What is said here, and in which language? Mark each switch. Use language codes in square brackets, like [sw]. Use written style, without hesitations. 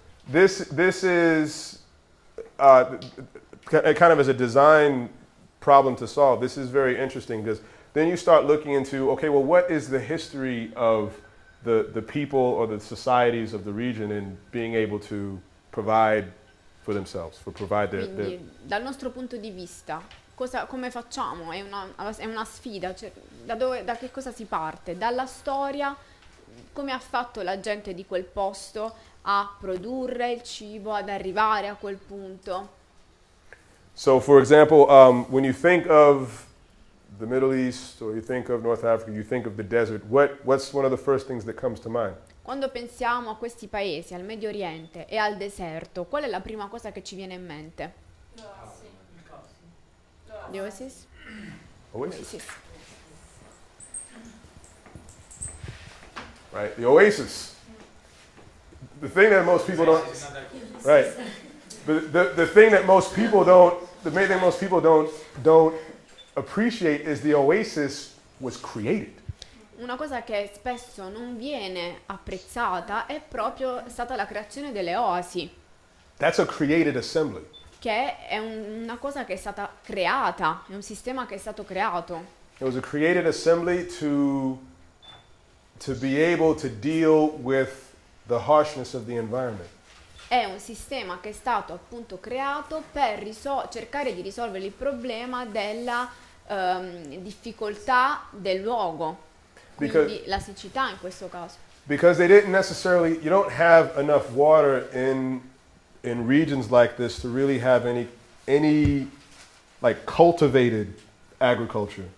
[en] This is kind of as a design problem to solve. This is very interesting because then you start looking into, okay, well, what is the history of the people or the societies of the region in being able to provide for themselves, for provide their... [it] Quindi, dal nostro punto di vista, come facciamo? È una sfida. Cioè, da che cosa si parte? Dalla storia, come ha fatto la gente di quel posto a produrre il cibo, ad arrivare a quel punto? [en] So, for example, when you think of the Middle East, or you think of North Africa, you think of the desert. What's one of the first things that comes to mind? [it] Quando pensiamo a questi paesi, al Medio Oriente e al deserto, qual è la prima cosa che ci viene in mente? [en] Oasis. Oasis. Right. The oasis. The thing that most people don't. Right. The thing that most people don't appreciate is the oasis was created. [it] Una cosa che spesso non viene apprezzata è proprio stata la creazione delle oasi. [en] That's a created assembly. [it] Che è una cosa che è stata creata, è un sistema che è stato creato. [en] It was a created assembly to be able to deal with the harshness of the environment. [it] È un sistema che è stato appunto creato per cercare di risolvere il problema della difficoltà del luogo, [en] because, [it] quindi la siccità in questo caso. [en] Because they didn't necessarily, you don't have enough water in regions like this to really have any like cultivated agriculture.